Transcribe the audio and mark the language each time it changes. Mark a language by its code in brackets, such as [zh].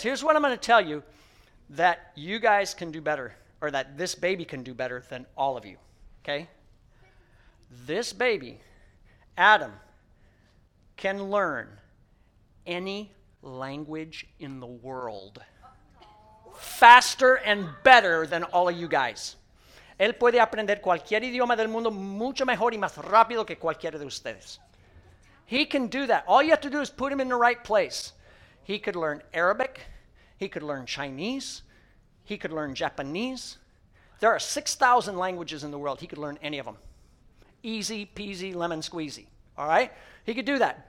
[en] Here's what I'm going to tell you that you guys can do better, or that this baby can do better than all of you. Okay? This baby, Adam, can learn any language in the world faster and better than all of you guys. [es] Él puede aprender cualquier idioma del mundo mucho mejor y más rápido que cualquiera de ustedes. [en] He can do that. All you have to do is put him in the right place. He could learn Arabic. He could learn Chinese. He could learn Japanese. There are 6,000 languages in the world. He could learn any of them. Easy peasy lemon squeezy. All right? He could do that.